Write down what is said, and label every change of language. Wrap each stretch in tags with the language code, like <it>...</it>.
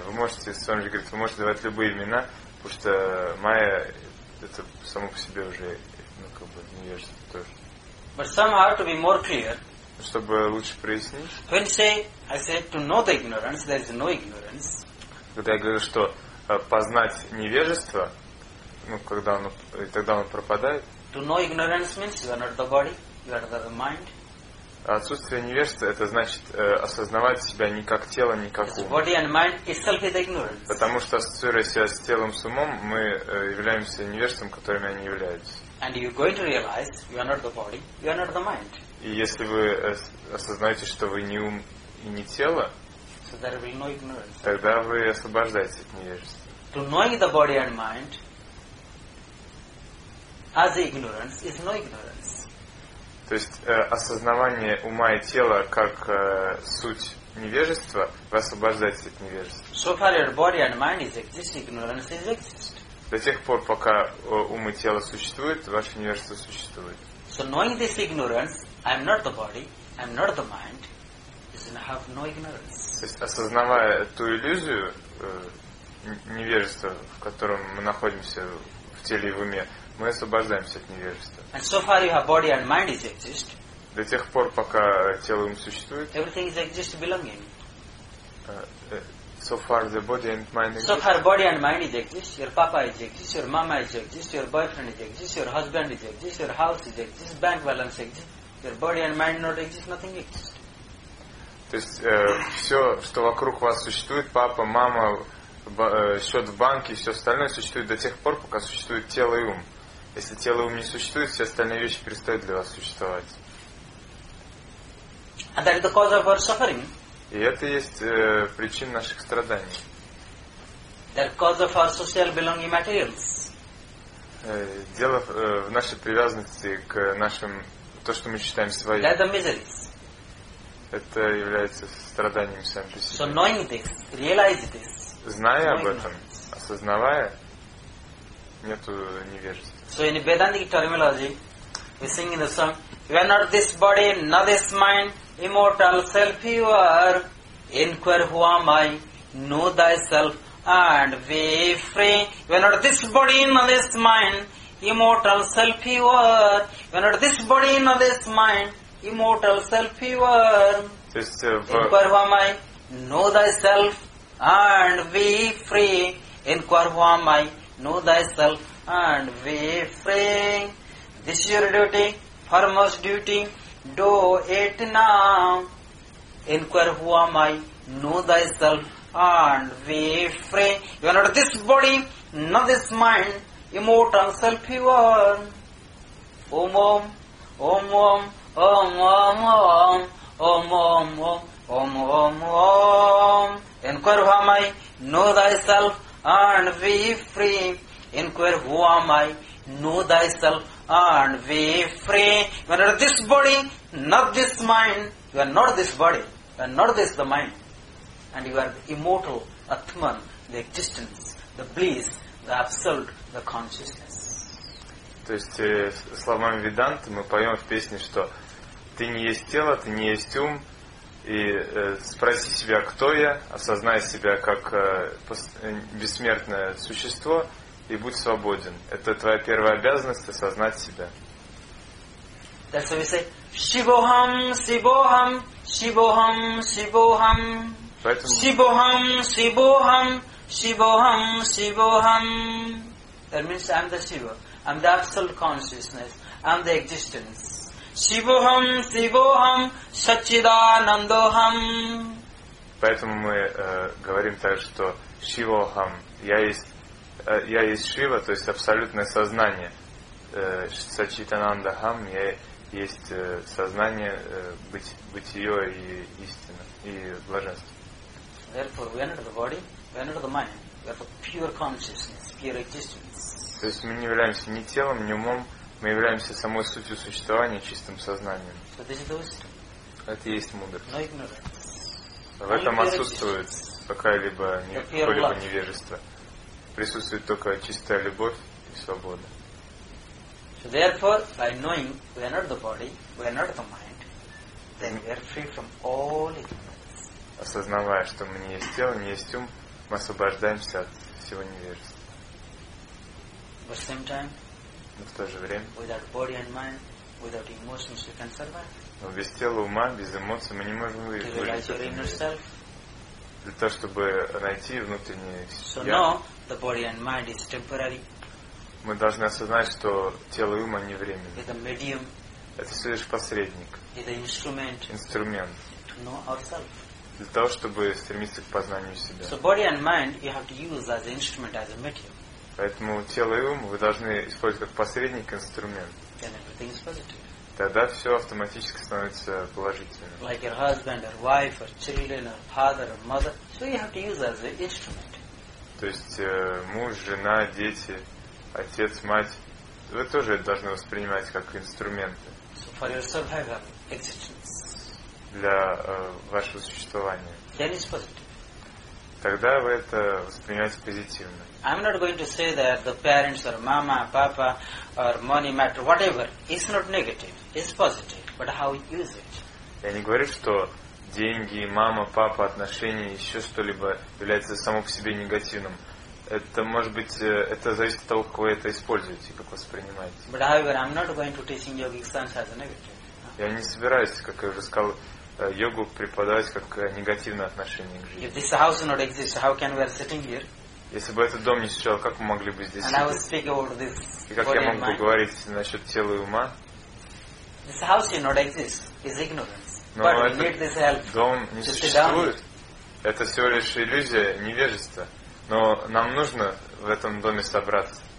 <ru>Вы можете, с вами же говорит, вы можете давать любые имена, потому что майя — это само по себе уже, ну, как бы, невежество тоже.</ru> <en>But somehow to be more clear.</en> <ru>Чтобы лучше прояснить.</ru> <en>When I said to know the ignorance, there is no ignorance.</en> <ru>Когда я говорю, что познать невежество, ну, когда оно, и тогда оно пропадает.</ru> <en>To know ignorance means you are not the body, you are the mind.</en> <ru>Отсутствие невежества — это значит осознавать себя не как тело, не как ум.</ru> <en>Body and mind itself is ignorance.</en> <ru>Потому что ассоциируя себя с телом, с умом, мы являемся невежеством, которыми они являются.</ru> <en>And you're going to realize you are not the body, you are not the mind.</en> <ru>И если вы осознаете, что вы не ум и не тело,</ru> <en>so there will be no ignorance.</en> <ru>Тогда вы освобождаетесь от невежества.</ru> <en>To knowing the body and mind as ignorance is no ignorance.</en> <ru>То есть осознавание ума и тела как суть невежества, вы освобождаетесь от невежества.</ru> <en>So far your body and mind is exist, ignorance is exist.</en> <ru>До тех пор, пока ум и тело существуют, ваше невежество существует.</ru> <en>So knowing this ignorance, I am not the body, I am not the mind, is I have no ignorance.</en> <ru>То есть осознавая ту иллюзию невежества, в котором мы находимся в теле и в уме, мы освобождаемся от невежества.</ru> <en>And so far your body and mind is exist.</en> <ru>До тех пор, пока тело и ум существует.</ru> <en>Everything is exist belonging. So far the body and mind exist. So far body and mind is exist. Your papa is exist. Your mama is exist. Your boyfriend is exist. Your husband is exist. Your house is exist. Bank balance exist. Your body and mind not exist. Nothing exist.</en> <ru>То есть все, что вокруг вас существует, папа, мама, счет в банке и все остальное существует до тех пор, пока существует тело и ум. Если тело и ум не существует, все остальные вещи перестают для вас существовать.</ru> <en>And that is the cause of our suffering.</en> <ru>И это есть причина наших страданий.</ru> <en>The cause of our social belonging materials.</en> <ru>Дело в нашей привязанности к нашим, то, что мы считаем своим.</ru> <en>That is the miseries.</en> <ru>Это является страданием сам по себе.</ru> <en>So knowing this, realize this.</en> <ru>Зная об этом, осознавая, нету невежества.</ru> <en>So in Vedantic terminology, we sing in the song, you are not this body, not this mind, immortal self you are. Inquire who am I, know thyself and be free. You are not this body, not this mind, immortal self you are. You are not this body, not this mind, immortal self you are. Inquire who am I, know thyself and be free. Inquire who am I, know thyself. And be free. This is your duty, foremost duty. Do it now. Inquire who am I, know thyself, and be free. You are not this body, not this mind, immortal self you are. Om om, om om, om om om, om om om, om om. Inquire who am I, know thyself, and be free. Inquire who am I, know thyself, and be free. You are not this body, not this mind. You are not this body, you are not this the mind. And you are the immortal Atman, the existence, the bliss, the absolute, the consciousness.</en> <ru>То есть, словами Веданты мы поем в песне, что ты не есть тело, ты не есть ум. И спроси себя, кто я, осознай себя как бессмертное существо и будь свободен. Это твоя первая обязанность — осознать себя.</ru> <en>That's what we say.</en> <sa>Shivoham, Shivoham, Shivoham, Shivoham.</sa> <ru>Поэтому...</ru> <sa>Shivoham, Shivoham, Shivoham, Shivoham.</sa> <en>That means I'm the Shiva. I'm the absolute consciousness. I'm the existence.</en> <sa>Shivoham, Shivoham, Satchidanandoham.</sa> <ru>Поэтому мы говорим так, что Shivoham, я есть Шива, то есть абсолютное сознание. Satchidanandoham, я есть сознание, бытие и истина, и блаженство.</ru> <en>Therefore, we are not the body, we are not the mind. We are the pure consciousness, pure existence.</en> <ru>То есть мы не являемся ни телом, ни умом, мы являемся самой сутью существования, чистым сознанием.</ru> <en>So this is the wisdom.</en> <ru>Это и есть мудрость.</ru> <en>No ignorance.</en> <ru>В этом отсутствует какая-либо невежество. Присутствует только чистая любовь и свобода.</ru> <en>So therefore, by knowing we are not the body, we are not the mind, then we are free from all ignorance.</en> <ru>Осознавая, что мы не есть тело, не есть ум, мы освобождаемся от всего невежества.</ru> <en>But at the same time,</en> <ru>но в то же время,</ru> <en>without body and mind, without emotions, we can survive.</en> <ru>Но без тела, ума, без эмоций мы не можем выжить.</ru> <en>To realize your inner self.</en> <ru>Для того, чтобы найти внутреннее себя.</ru> <en>So now, the body and mind is temporary.</en> <ru>Мы должны осознать, что тело и ум, они временные. Это medium. Это всего лишь посредник. Это инструмент. Инструмент.</ru> <en>To know ourselves.</en> <ru>Для того, чтобы стремиться к познанию себя.</ru> <en>So body and mind you have to use as an instrument, as a medium.</en> <ru>Поэтому тело и ум вы должны использовать как посредник, инструмент.</ru> <en>Then everything is positive.</en> <ru>Тогда все автоматически становится положительным.</ru> <en>Like your husband or wife or children or father or mother. So you have to use as an instrument.</en> <ru>То есть муж, жена, дети, отец, мать, вы тоже это должны воспринимать как инструменты.</ru> <en>So for your survival existence.</en> <ru>Для вашего существования.</ru> <en>Then it's positive.</en> <ru>Тогда вы это воспринимаете позитивно.</ru> <en>I'm not going to say that the parents or mama, papa or money matter, whatever, it's not negative, it's positive. But how you use it?</en> <ru>Я не говорю, что деньги, мама, папа, отношения, еще что-либо является само по себе негативным. Это может быть, это зависит от того, как вы это используете, как воспринимаете.</ru> <en>But however, I'm not going to teach yogic science as a negative.</en> <ru>Я не собираюсь, как я уже сказал, йогу преподавать как негативное отношение к жизни.</ru> <en>If this house not exists, how can we are sitting here?</en> <ru>Если бы этот дом не существовал, как мы могли бы здесь сидеть? И как я мог бы говорить насчет тела и ума?</ru> <en>This house not exist. It's ignorance.</en> <ru>Но</ru> <en>but</en> <ru>этот</ru> <en>we need this help</en> <ru>дом не существует. Это всего лишь иллюзия, невежество. Но нам нужно в этом доме собраться.</ru>